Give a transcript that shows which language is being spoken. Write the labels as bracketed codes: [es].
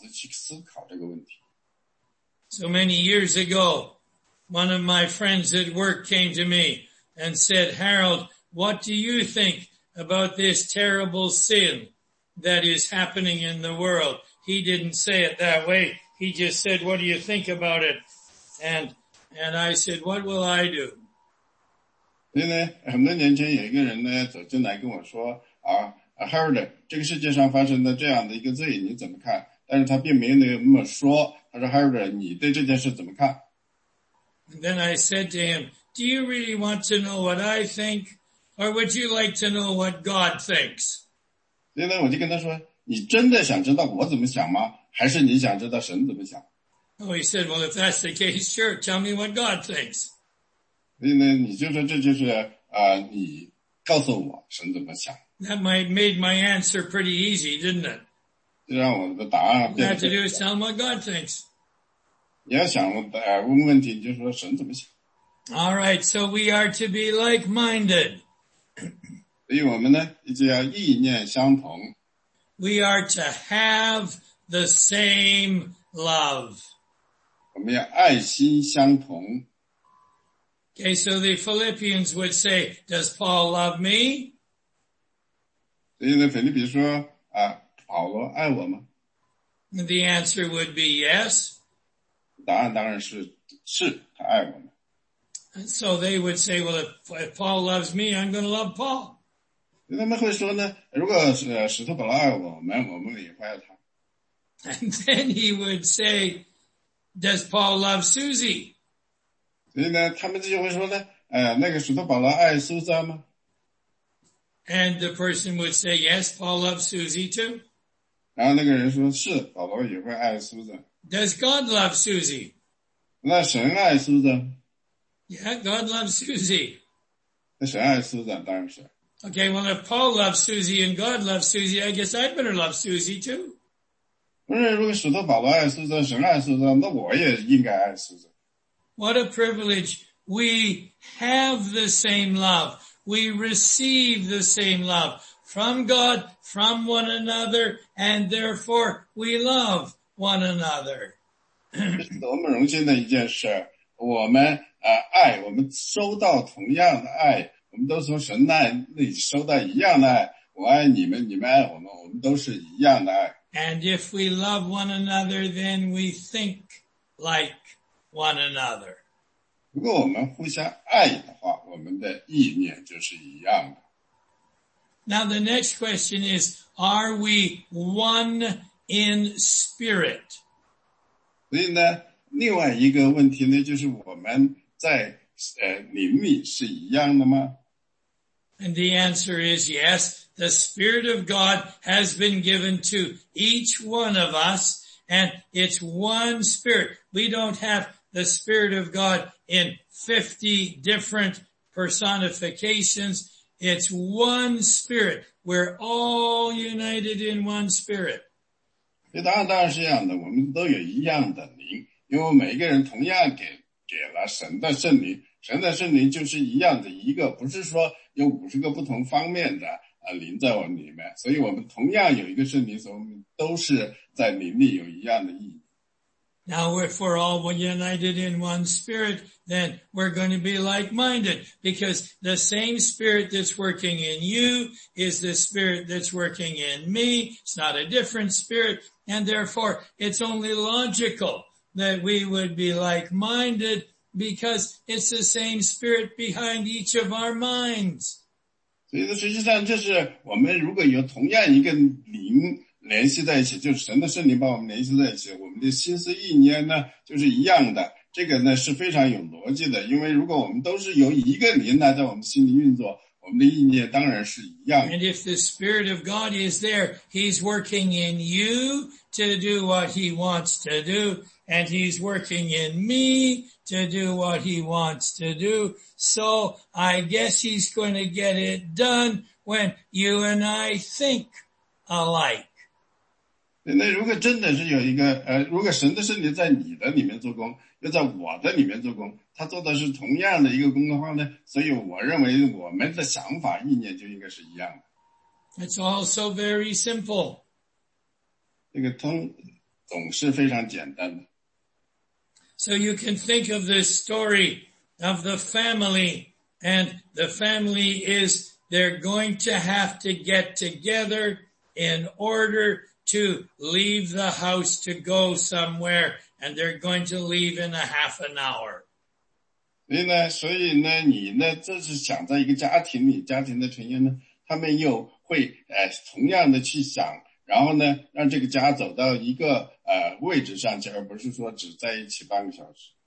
[zh] 这是非常容易的,你甚至不用去太过的用你的脑子去思考这个问题。So [en] many years ago, one of my friends at work came to me and said, Harold, what do you think about this terrible sin that is happening in the world? He didn't say it that way. He just said, what do you think about it? And I said, what will I do? [zh] 很多年前有一个人走进来跟我说,Harold,这个世界上发生的这样的一个罪,你怎么看?但是他并没有那么说,他说Harold,你对这件事怎么看? [en] And then I said to him, do you really want to know what I think? Or would you like to know what God thinks? [zh] 所以呢，我就跟他说，你真的想知道我怎么想吗？还是你想知道神怎么想？ [en] Oh, he said, well, if that's the case, sure, tell me what God thinks. [zh] 所以呢，你就说这就是你告诉我神怎么想。 [en] That might made my answer pretty easy, didn't it? [zh] 就让我的答案变得。 [en] What to do is tell him what God thinks. [zh] 你要想问问题，你就说神怎么想。 [en] All right, so we are to be like-minded. [zh] 所以我们呢，就要意念相同。 [en] We are to have the same love. [zh] 我们要爱心相同。 [en] Okay, so the Philippians would say, does Paul love me? [zh] 所以呢，腓立比说，啊，保罗爱我吗？ [en] The answer would be yes. [zh] 答案当然是，是，他爱我们。 [en] And so they would say, well, if Paul loves me, I'm going to love Paul. [zh] 他们会说呢，如果使徒保罗爱我们，我们也会爱他。 [en] And then he would say, does Paul love Susie? [zh] 所以呢，他们就会说呢，那个使徒保罗爱苏珊吗？ [en] And the person would say, yes, Paul loves Susie too. [zh] 然后那个人说，是，保罗也会爱苏珊。 [en] Does God love Susie? [zh] 那神爱苏珊。 [en] Yeah, God loves Susie. [zh] 那谁爱苏珊？当然是。 [en] Okay, well, if Paul loves Susie and God loves Susie, I guess I'd better love Susie too. [zh] 不是，如果使徒保罗爱苏珊，神爱苏珊，那我也应该爱苏珊。 [en] What a privilege. We have the same love. We receive the same love from God, from one another, and therefore we love one another. [zh] 这是多么荣幸的一件事，我们爱，我们收到同样的爱，我们都从神那里收到一样的爱。我爱你们，你们爱我们，我们都是一样的爱。 [en] And if we love one another, then we think like one another. [zh] 如果我们互相爱的话，我们的意念就是一样的。 [en] Now the next question is, are we one in spirit? [zh] 所以呢，另外一个问题呢，就是我们在灵里是一样的吗？ [en] And the answer is yes. The Spirit of God has been given to each one of us, and it's one Spirit. We don't have the Spirit of God in 50 different personifications. It's one Spirit. We're all united in one Spirit. [zh] 当然是一样的，我们都有一样的灵，因为每一个人同样给了神的圣灵，神的圣灵就是一样的一个，不是说有50个不同方面的灵在我们里面，所以我们同样有一个圣灵，所以我们都是在灵里有一样的意义。 [en] Now if we're all united in one spirit, then we're going to be like-minded, because the same spirit that's working in you is the spirit that's working in me. It's not a different spirit, and therefore it's only logical that we would be like-minded, because it's the same spirit behind each of our minds. [zh] 所以实际上就是我们如果有同样一个灵联系在一起，就是神的圣灵把我们联系在一起，我们的心思意念呢就是一样的。这个呢是非常有逻辑的，因为如果我们都是由一个灵呢在我们心里运作，我们的意念当然是一样的。 [en] And if the Spirit of God is there, he's working in you to do what he wants to do. And he's working in me to do what he wants to do. So I guess he's going to get it done when you and I think alike. [zh] 那如果真的是有一个如果神的圣灵在你的里面做工，又在我的里面做工，他做的是同样的一个工的话呢，所以我认为我们的想法意念就应该是一样的。 [en] It's all so very simple. [zh] 这个总是非常简单的。 [en] So you can think of this story of the family, and the family is, they're going to have to get together in order to leave the house to go somewhere, and they're going to leave in a half an hour. [zh] 所以呢你呢就是想在一个家庭里，家庭的成员呢他们又会同样的去想，然后呢让这个家走到一个位置上去，而不是说只在一起半个小时。